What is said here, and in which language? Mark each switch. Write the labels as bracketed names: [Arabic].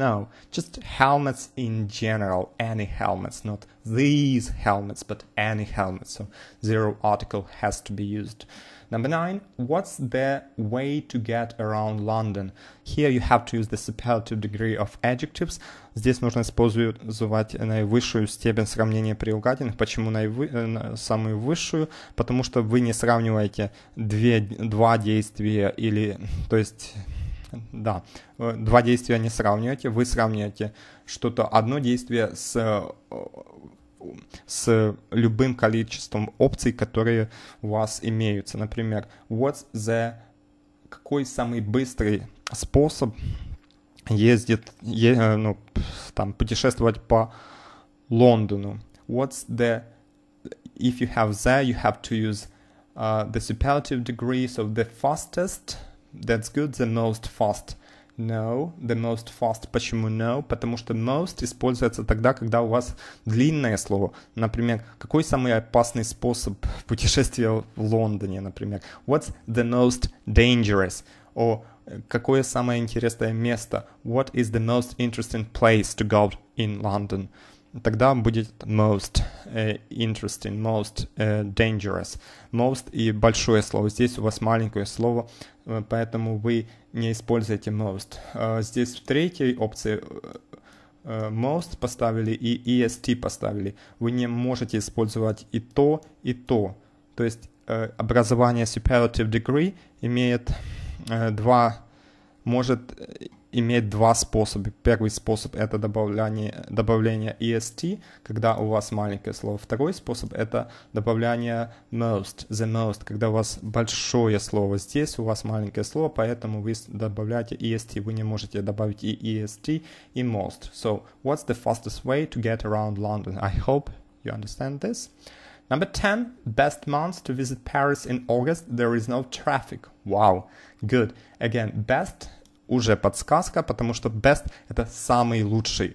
[English] No, just helmets in general, any helmets, not these helmets, but any helmets. So zero article has to be used. Number 9, what's the way to get around London? Here you have to use the superlative degree of adjectives. [Russian] Здесь нужно использовать наивысшую степень сравнения прилагательных. Почему самую высшую? Потому что вы не сравниваете два действия или... То есть, да, два действия не сравниваете. Вы сравниваете что-то, одно действие с любым количеством опций, которые у вас имеются. Например, [English] what's the, [Russian] какой самый быстрый способ путешествовать по Лондону? [English] What's the, if you have the, you have to use the superlative degree, so the fastest, that's good, the most fast. No, the most fast. [Russian] Почему [English] no? [Russian] Потому что most используется тогда, когда у вас длинное слово. Например, какой самый опасный способ путешествия в Лондоне, например? [English] What's the most dangerous? Or [Russian] какое самое интересное место? [English] What is the most interesting place to go in London? [Russian] Тогда будет most interesting, most dangerous. Most и большое слово. Здесь у вас маленькое слово, поэтому вы не используете most. Здесь в третьей опции most поставили и est поставили. Вы не можете использовать и то, и то. То есть образование superlative degree имеет два, может иметь два способа. Первый способ – это добавление est, когда у вас маленькое слово. Второй способ – это добавление most, the most, когда у вас большое слово. Здесь у вас маленькое слово, поэтому вы добавляете est. Вы не можете добавить и est, и most. [English] So, what's the fastest way to get around London? I hope you understand this. Number 10, best months to visit Paris in August. There is no traffic. Wow, good. Again, best – [Russian] уже подсказка, потому что best – это самый лучший.